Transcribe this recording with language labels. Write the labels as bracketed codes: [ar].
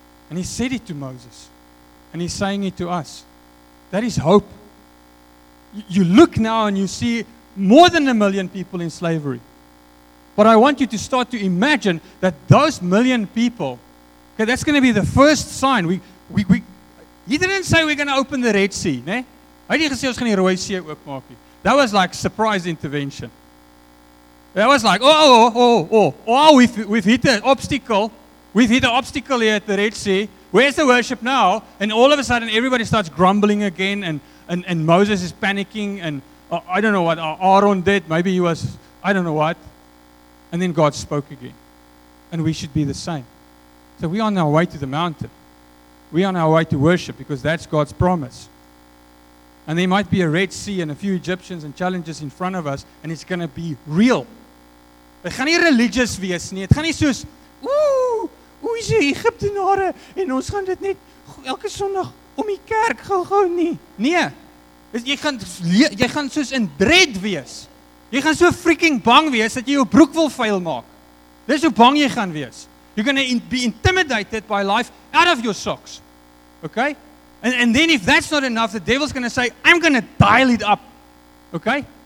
[en] And he said it to Moses. And he's saying it to us. That is hope. You look now and you see more than a million people in slavery. But I want you to start to imagine that those million people, okay, that's going to be the first sign. He didn't say we're going to open the Red Sea, ne? [af] Hy het nie gesê ons gaan die Rooi See oopmaak nie. [en] That was like surprise intervention. That was like, we've hit an obstacle. We've hit an obstacle here at the Red Sea. Where's the worship now? And all of a sudden, everybody starts grumbling again, and Moses is panicking, and I don't know what Aaron did. Maybe he was, I don't know what. And then God spoke again. And we should be the same. So we are on our way to the mountain. We are on our way to worship because that's God's promise. And there might be a Red Sea and a few Egyptians and challenges in front of us and it's going to be real. [af] Dit gaan nie religious wees nie. Dit gaan nie soos hoe is die Egiptenare en ons gaan dit net elke Sondag om die kerk gou nie. Nee. Jy gaan soos in dread wees. Jy gaan so freaking bang wees dat jy jou broek wil vuil maak. Dis hoe bang jy gaan wees. [en] You're going to be intimidated by life out of your socks. Okay? And then if that's not enough, the devil's going to say, I'm going to dial it up. Okay?